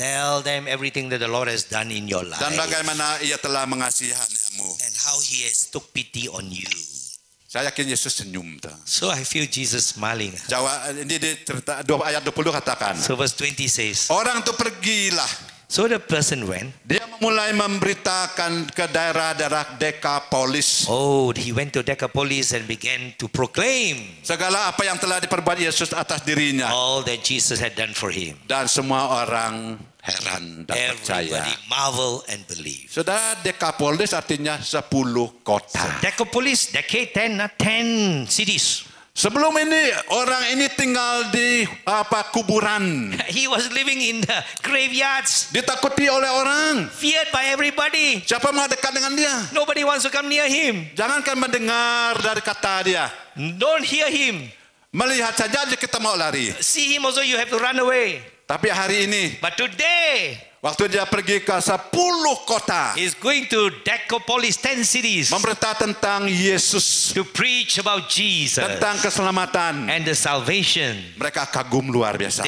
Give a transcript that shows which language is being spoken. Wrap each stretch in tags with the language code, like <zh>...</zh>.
<en>Tell them everything that the Lord has done in your life.</en> <id>Dan bagaimana ia telah mengasihanimu.</id> <en>And how he has took pity on you.</en> <id>Saya yakin Yesus senyum.</id> <en>So I feel Jesus smiling.</en> <id>Ini di ayat 20 katakan.</id> <en>So verse 20 says.</en> <id>Orang itu pergilah.</id> <en>So the person went.</en> <id>Dia mulai memberitakan ke daerah-daerah Dekapolis.</id> <en>Oh, he went to Dekapolis and began to proclaim.</en> <id>Segala apa yang telah diperbuat Yesus atas dirinya.</id> <en>All that Jesus had done for him.</en> <id>Dan semua orang heran dan</id> <en>everybody</en> <id>percaya.</id> <en>Everybody marvel and believe.</en> <id>Saudara, Dekapolis artinya 10 kota.</id> <en>So, Dekapolis, decade 10 cities.</en> <id>Sebelum ini orang ini tinggal di kuburan.</id> <en>He was living in the graveyards.</en> <id>Ditakuti oleh orang.</id> <en>Feared by everybody.</en> <id>Siapa mau dekat dengan dia?</id> <en>Nobody wants to come near him.</en> <id>Jangankan mendengar dari kata dia.</id> <en>Don't hear him.</en> <id>Melihat saja kita mau lari.</id> <en>See him also you have to run away.</en> <id>Tapi hari ini.</id> <en>But today.</en> <id>Waktu dia pergi ke 10 kota.</id> <en>He's going to Decapolis 10 cities.</en> <id>Memberitakan tentang Yesus.</id> <en>To preach about Jesus.</en> <id>Tentang keselamatan.</id> <en>And the salvation.</en> <id>Mereka kagum luar biasa.</id>